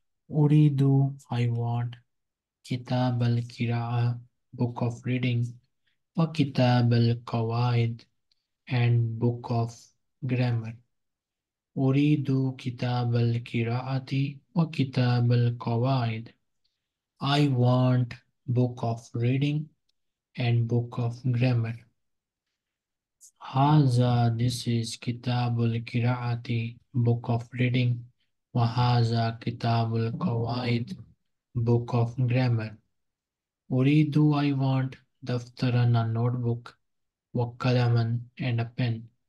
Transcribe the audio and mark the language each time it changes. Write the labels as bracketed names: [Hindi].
[Arabic] أريد [English] I want [Arabic] كتاب القراءة [English] book of reading [Arabic] وكتاب القواعد [English] and book of grammar. [Arabic] أريد كتاب القراءة وكتاب القواعد. [English] I want book of reading and book of grammar. [Arabic] هذا [English] this is [Arabic] كتاب القراءة [English] book of reading [Arabic] وهذا كتاب القواعد [English] book of grammar. [Arabic] أريد [English] I want [Arabic] دفترا [English] a notebook [Arabic] وقلما [English] and a pen.